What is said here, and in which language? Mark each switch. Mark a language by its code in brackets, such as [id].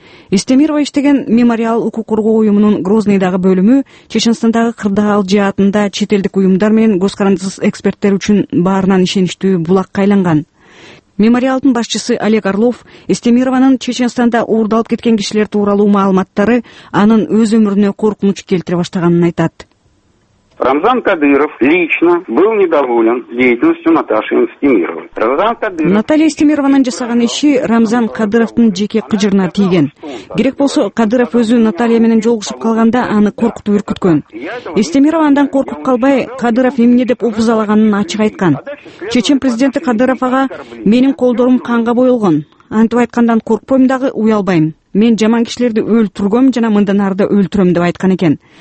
[ky] Истемирова иштеген мемориал укук коргоо уюмунун Грозныйдагы бөлүмү Чечендагы кырдаал жаатында чет элдик уюмдар менен көз карандысыз эксперттер үчүн баарынан ишеничтүү булакка айланган. Мемориалдын башчысы Олег Орлов Истемированын Чечендагы уурдалып кеткен кишилер тууралуу маалыматтары анын өз өмүрүнө коркунуч келтире баштаганын айтат. [ru] Рамзан Кадыров лично был недоволен деятельностью Наташи Истемировой. [ky] Наталья Истемированын жасаган иши Рамзан Кадыровдун жеке кыжырына тийген. Керек болсо Кадыров өзү Наталья менен жолугушуп калганда аны коркутуп үркүткөн. Истемирова андан коркуп калбай, Кадыров эмне деп упузалаганын ачык айткан. Чечен президенти Кадыров ага менин колдорум канга боелгон. Антип айткандан коркпойм дагы уялбайм. Мен жаман кишилерди өлтүргөм жана мындан арыда өлтүрөм деп айткан экен.